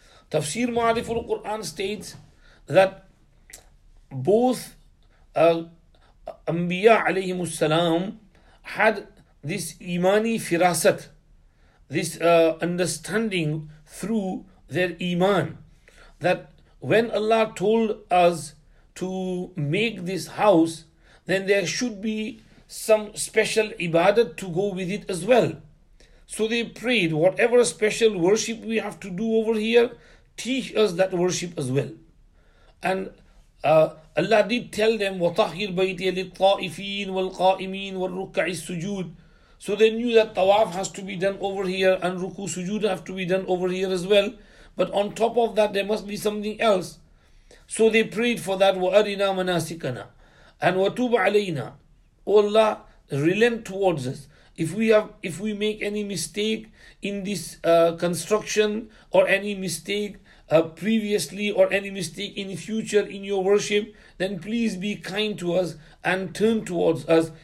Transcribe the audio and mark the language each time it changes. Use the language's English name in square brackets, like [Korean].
[English] Tafsir Ma'ariful Quran states that both Anbiya alayhimu salam had this imani firasat, this understanding through their iman, that when Allah told us to make this house, then there should be some special ibadat to go with it as well. So they prayed, whatever special worship we have to do over here, teach us that worship as well. And Allah did tell them, [Arabic] وَطَحِّرْ بَيْتِيَ لِلْطَائِفِينَ وَالْقَائِمِينَ وَالرُّكَّعِ السُّجُودِ. [English] So they knew that tawaf has to be done over here and ruku sujood have to be done over here as well. But on top of that, there must be something else. So they prayed for that, [Arabic] وَأَرِنَا مَنَاسِكَنَا [English] and [Arabic] وَتُوبَ عَلَيْنَا. [English] O Allah, relent towards us. If we make any mistake in this construction, or any mistake previously, or any mistake in future in your worship, then please be kind to us and turn towards us.